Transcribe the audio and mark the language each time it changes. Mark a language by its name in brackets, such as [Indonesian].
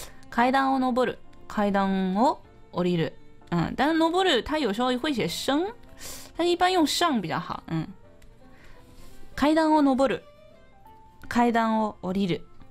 [Japanese] 階段を登る，階段を降りる。 [Chinese] 但是登る它有时候会写升，但一般用上比较好。 [Japanese] 階段を登る，階段を降りる。